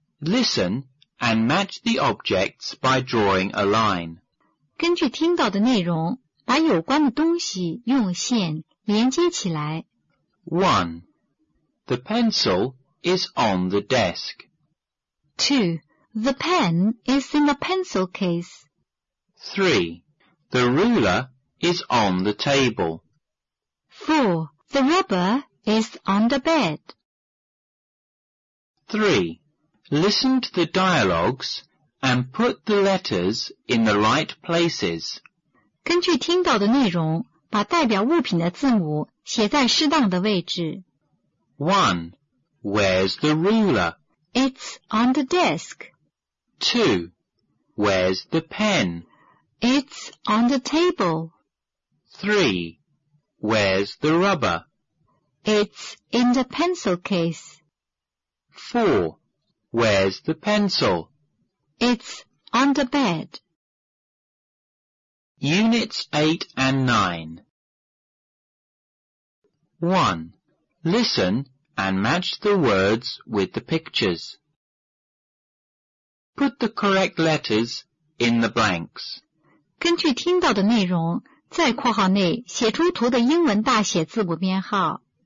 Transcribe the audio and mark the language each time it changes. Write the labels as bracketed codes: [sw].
[en] Listen and match the objects by drawing a line. [zh] 根据听到的内容，把有关的东西用线连接起来。 [en] 1. The pencil is on the desk. 2. The pen is in the pencil case. 3. The ruler is on the table. 4. The rubber is on the bed. 3. Listen to the dialogues and put the letters in the right places. [zh] 根据听到的内容，把代表物品的字母写在适当的位置。 [en] 1. Where's the ruler? It's on the desk. 2. Where's the pen? It's on the table. 3. Where's the rubber? It's in the pencil case. 4. Where's the pencil? It's on the bed. Units 8 and 9. 1. Listen and match the words with the pictures. Put the correct letters in the blanks. [zh] 根据听到的内容，在括号内写出图的英文大写字母编号。